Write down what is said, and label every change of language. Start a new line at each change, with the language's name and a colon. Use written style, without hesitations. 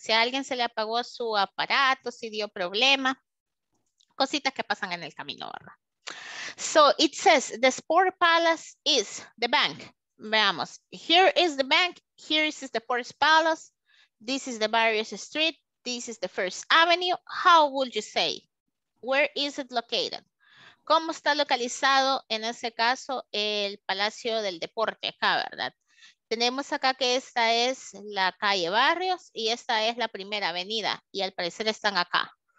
Spanish: Si a alguien se le apagó su aparato, si dio problema, cositas que pasan en el camino, ¿verdad?
English: So, it says, the Sport Palace is the bank.
Spanish: Veamos,
English: here is the bank, here is the Sports Palace, this is the various street, this is the First Avenue. How would you say? Where is it located?
Spanish: ¿Cómo está localizado, en ese caso, el Palacio del Deporte acá, verdad? Tenemos acá que esta es la calle Barrios y esta es la primera avenida y al parecer están acá.